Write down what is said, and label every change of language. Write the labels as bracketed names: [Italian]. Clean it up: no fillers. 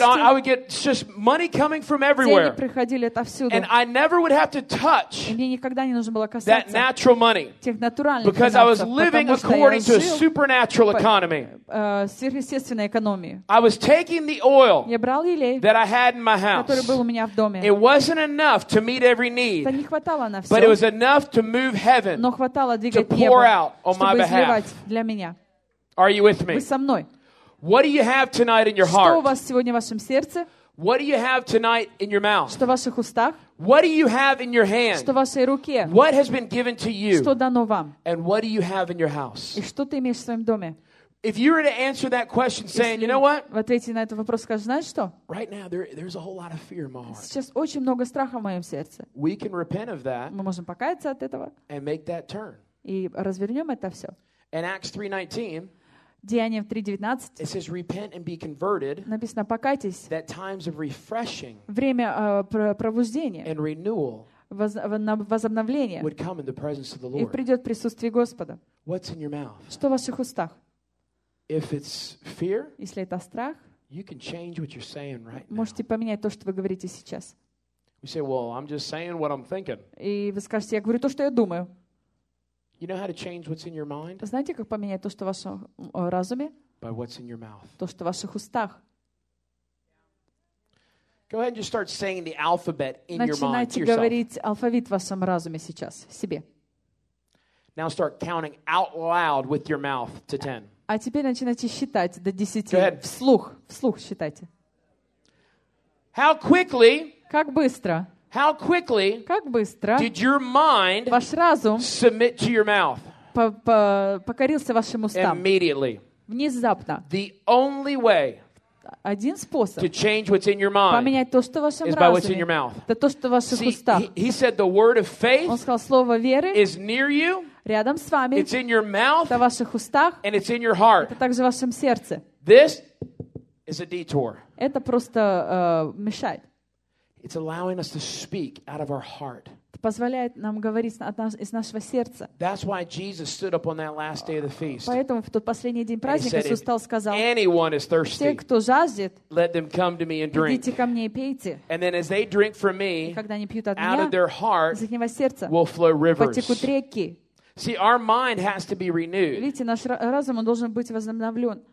[English] I would get just money coming from everywhere. [Russian] Деньги приходили отовсюду. [English] And I never would have to touch. [Russian] Мне никогда не нужно было касаться. [English] That natural money. [Russian] Тех натуральных. [English] Because I was living according to a supernatural economy. [Russian] Сверхъестественная экономия. [English] I was taking the oil. [Russian] Я брал елей. [English] That I had in my house. [Russian] Который был у меня в доме. [English] It wasn't enough to meet every need. [Russian] Не хватало на все. [English] But it was enough to move heaven. [Russian] Но хватало двигать небо. [English] To pour out on my behalf. [Russian] Чтобы изливать для меня. [English] Are you with me? [Russian] Вы со мной? [English] What do you have tonight in your heart? [Russian] Что у вас сегодня в вашем сердце? [English] What do you have tonight in your mouth? [Russian] Что в ваших устах? [English] What do you have in your hand? [Russian] Что в вашей руке? [English] What has been given to you? [Russian] Что дано вам? [English] And what do you have in your house? [Russian] И что ты имеешь в своем доме? [English] If you were to answer that question saying, you know what? [Russian] В ответе на этот вопрос скажешь, знаешь что? [English] Right now there's a whole lot of fear in my heart. [Russian] Сейчас очень много страха в моем сердце. [English] We can repent of that. [Russian] Мы можем покаяться от этого. [English] And make that turn. [Russian] И развернем это все. [English] In Acts 3:19. [Russian] Деяние 3:19. [English] It says, "Repent and be converted." [Russian] Написано, покайтесь. [English] That times of refreshing. [Russian] Время пробуждения. [English] And renewal. [Russian] Возобновление. [English] Would come in the presence of the Lord. [Russian] И придет присутствие Господа. [English] What's in your mouth? [Russian] Что в ваших устах? [English] If it's fear. [Russian] Если это страх. [English] You can change what you're saying right now. [Russian] Можете поменять то, что вы говорите сейчас. [English] You say, "Well, I'm just saying what I'm thinking." [Russian] И вы скажете, я говорю то, что я думаю. [English] You know how to change what's in your mind? [Russian] Знаете, как поменять то, что в вашем разуме? [English] By what's in your mouth. [Russian] То, что в ваших устах. [English] Go ahead and just start saying the alphabet in your mind to yourself. [Russian] Начинайте говорить алфавит в вашем разуме сейчас себе. [English] Now start counting out loud with your mouth to 10. [Russian] А теперь начинайте считать до 10. [English] Go ahead. [Russian] Вслух считайте. [English] How quickly? [Russian] Как быстро? [English] How quickly did your mind submit to your mouth? [Russian] Покорился вашим устам. [English] Immediately. [Russian] Внезапно. [English] The only way [Russian] один способ [English] to change what's in your mind [Russian] поменять то, что в вашем [English] is [Russian] разуме, [English] by what's in your mouth. [Russian] Это то, что в ваших [English] See, [Russian] устах. [English] He said the word of faith [Russian] он сказал, слово веры [English] is near you. [Russian] Рядом с вами. [English] It's in your mouth. [Russian] Это в ваших устах. [English] And it's in your heart. [Russian] Это также в вашем сердце. [English] This is a detour. [Russian] Это просто мешает. [English] It's allowing us to speak out of our heart. [Russian] Позволяет нам говорить из нашего сердца. [English] That's why Jesus stood up on that last day of the feast. [Russian] Поэтому в тот последний день праздника Иисус встал и сказал: [English] Anyone is thirsty. [Russian] Все, кто жаждет, [English] let them come to me and drink. [Russian] Идите ко мне и пейте. [English] And then as they drink from me, [Russian] когда они пьют от меня, [English] out of their heart, [Russian] из ихнего сердца, [English] will flow rivers. [Russian] Потекут реки. [English] See, our mind has to be renewed. [Russian] Видите, наш разум должен быть возобновлен.